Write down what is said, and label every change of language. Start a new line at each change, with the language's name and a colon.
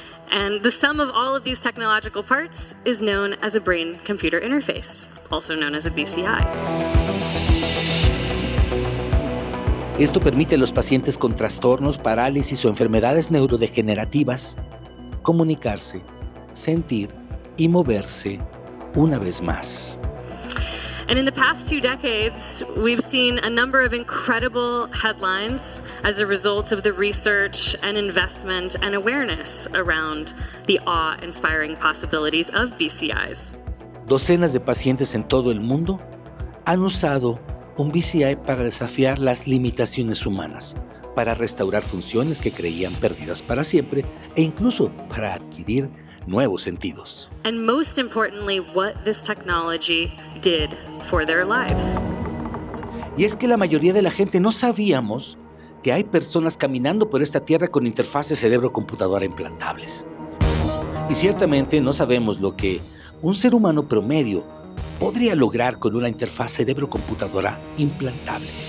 English: And the sum of all of these technological parts is known as a brain-computer interface, also known as a BCI.
Spanish: Esto permite a los pacientes con trastornos, parálisis o enfermedades neurodegenerativas comunicarse, sentir y moverse una vez más.
English: And in the past two decades, we've seen a number of incredible headlines as a result of the research and investment and awareness around the awe-inspiring possibilities of BCIs.
Spanish: Docenas de pacientes en todo el mundo han usado un BCI para desafiar las limitaciones humanas, para restaurar funciones que creían perdidas para siempre e incluso para adquirir nuevos sentidos.
English: And most importantly, what this technology did for their lives.
Spanish: Y es que la mayoría de la gente no sabíamos que hay personas caminando por esta tierra con interfaces cerebro-computadora implantables. Y ciertamente no sabemos lo que un ser humano promedio podría lograr con una interfaz cerebro-computadora implantable.